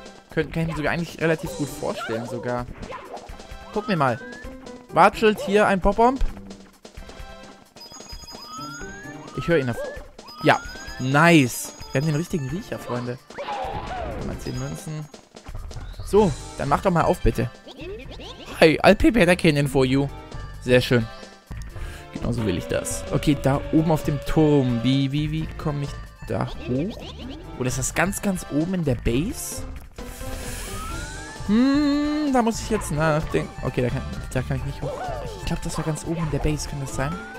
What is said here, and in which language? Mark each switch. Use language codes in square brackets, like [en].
[de] Kann ich mir sogar eigentlich relativ gut vorstellen sogar. Guck mir mal. Watschelt hier ein Bob-Bomb? Ich höre ihn. Ja, nice. Wir haben den richtigen Riecher, Freunde. Mal 10 Münzen. So, dann mach doch mal auf, bitte. [en] Hi, I'll prepare the canyon for you. [de] Sehr schön. Genau so will ich das. Okay, da oben auf dem Turm. Wie komme ich da hoch? Oder ist das ganz, ganz oben in der Base? Da muss ich jetzt nachdenken. Okay, da kann ich nicht hoch. Ich glaube, das war ganz oben in der Base. Kann das sein?